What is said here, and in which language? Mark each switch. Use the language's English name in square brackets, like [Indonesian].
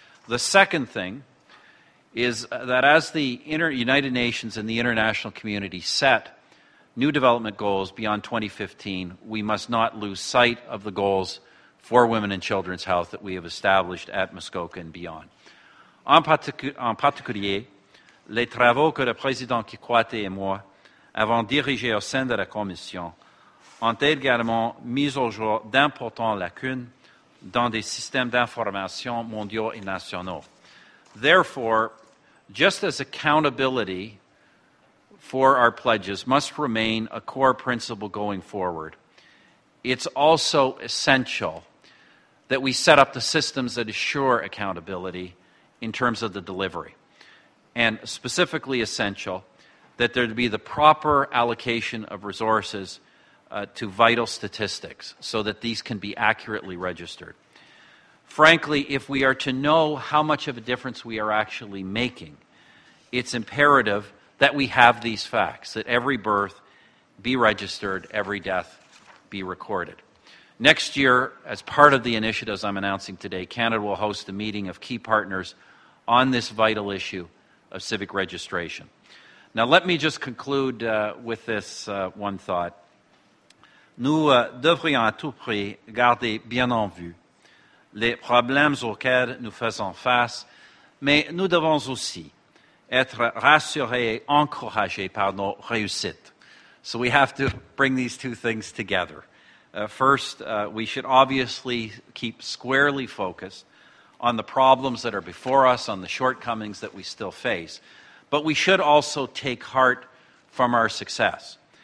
[English] The second thing is that as the United Nations and the international community set new development goals beyond 2015, we must not lose sight of the goals for women and children's health that we have established at Muskoka and beyond. [French] En particulier, les travaux que le président Kikwete et moi avons dirigés au sein de la Commission ont également mis au jour d'importantes lacunes dans des systèmes d'information mondiaux et nationaux. [English] Therefore, just as accountability for our pledges must remain a core principle going forward, it's also essential that we set up the systems that assure accountability in terms of the delivery. And specifically essential that there be the proper allocation of resources to vital statistics so that these can be accurately registered. Frankly, if we are to know how much of a difference we are actually making, it's imperative that we have these facts, that every birth be registered, every death be recorded. Next year, as part of the initiatives I'm announcing today, Canada will host a meeting of key partners on this vital issue of civic registration. Now, let me just conclude with this one thought. [French] Nous devrions à tout prix garder bien en vue les problèmes auxquels nous faisons face, mais nous devons aussi être rassurés et encouragés par nos réussites. [English] So we have to bring these two things together. First, we should obviously keep squarely focused on the problems that are before us, on the shortcomings that we still face, but we should also take heart from our success.